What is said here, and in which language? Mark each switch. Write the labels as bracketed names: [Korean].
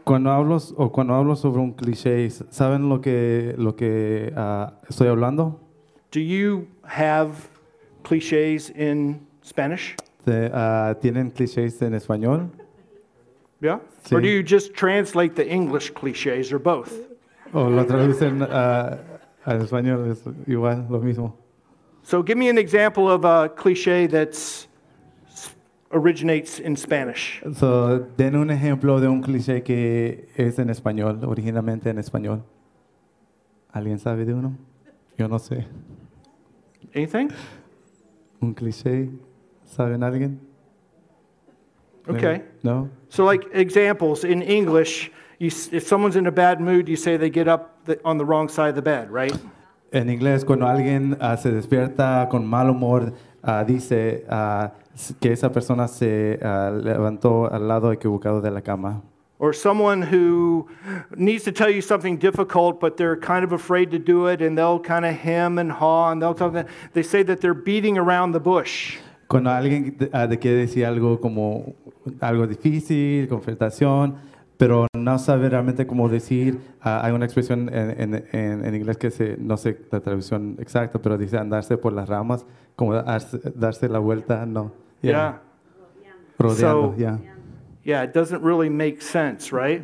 [Spanish] Cuando hablo sobre un cliché, ¿saben lo que estoy hablando? [English] Do you have clichés in Spanish? [Spanish] ¿Tienen clichés en español? [English] Yeah. Sí. Or do you just translate the English clichés or both? [Spanish] O lo traducen al español, es igual, lo mismo. [English] So give me an example of a cliché that's originates in Spanish. [Spanish] So den un ejemplo de un cliché que es en español, originalmente en español. ¿Alguien sabe de uno? Yo no sé. [English] Anything? [Spanish] Un cliché. ¿Saben alguien? [English] Okay. [Spanish] No. [English] So, like examples in English, if someone's in a bad mood, you say they get up on the wrong side of the bed, right? [Spanish] En inglés, cuando alguien se despierta con mal humor, dice que esa persona se levantó al lado equivocado de la cama. [English] Or someone who needs to tell you something difficult, but they're kind of afraid to do it, and they'll kind of hem and haw, and they'll talk. They say that they're beating around the bush. [Spanish] Cuando alguien te quiere decir algo como algo difícil, confrontación, pero no sabe realmente cómo decir, hay una expresión en inglés que no sé la traducción exacta, pero dice andarse por las ramas, como darse la vuelta, no. [English] Yeah. [Spanish] Rodeando, [English] so, yeah. Yeah, it doesn't really make sense, right?